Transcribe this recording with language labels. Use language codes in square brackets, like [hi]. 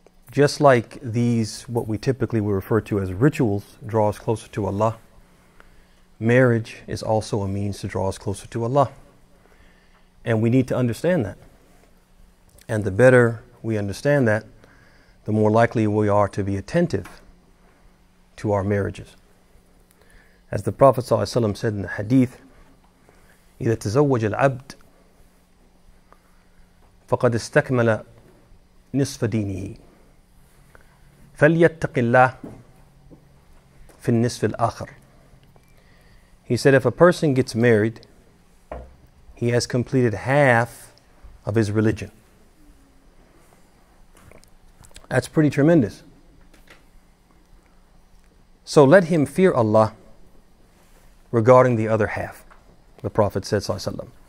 [en] Just like these, what we typically refer to as rituals, draw us closer to Allah, marriage is also a means to draw us closer to Allah. And we need to understand that. And the better we understand that, the more likely we are to be attentive to our marriages. As the Prophet ﷺ said in the hadith, [ar] إِذَا تَزَوَّجَ الْعَبْدُ فَقَدْ اسْتَكْمَلَ نِصْفَ دِينِهِ فَلْيَتَّقِ اللَّهِ فِي النِّصْفِ الْآخَرِ. [en] He said, if a person gets married, he has completed half of his religion. That's pretty tremendous. So let him fear Allah regarding the other half, the Prophet said, sallallahu alaihi wasallam.